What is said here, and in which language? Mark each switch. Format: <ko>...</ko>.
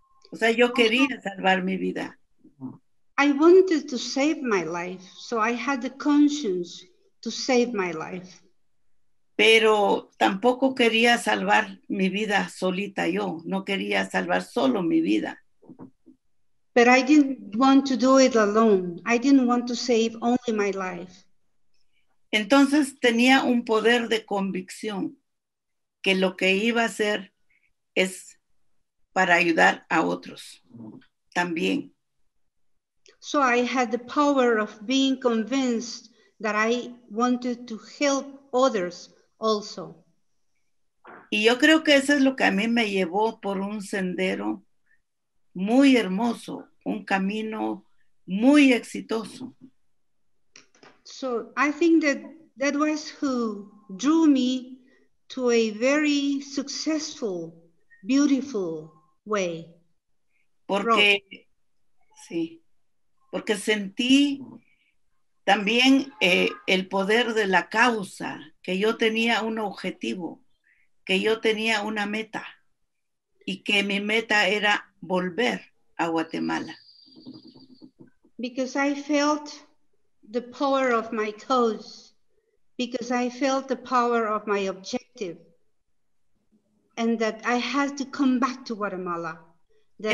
<es>O sea, yo quería salvar mi vida.</es> <en>I wanted to save my life, so I had the conscience to save my life.</en> <es>Pero tampoco quería salvar mi vida solita yo. No quería salvar solo mi vida.</es> <en>But I didn't want to do it alone. I didn't want to save only my life.</en> <es>Entonces tenía un poder de convicción que lo que iba a hacer es para ayudar a otros también.</es> <en>So I had the power of being convinced that I wanted to help others also.</en> <es>Y yo creo que eso es lo que a mí me llevó por un sendero muy hermoso, un camino muy exitoso.</es> <en>So I think that was who drew me to a very successful, beautiful way.</en> <es>Porque sentí También el poder de la causa, que yo tenía un objetivo, que yo tenía una meta, y que mi meta era volver a Guatemala.</es> <en>Because I felt the power of my cause, because I felt the power of my objective, and that I had to come back to Guatemala, that</en>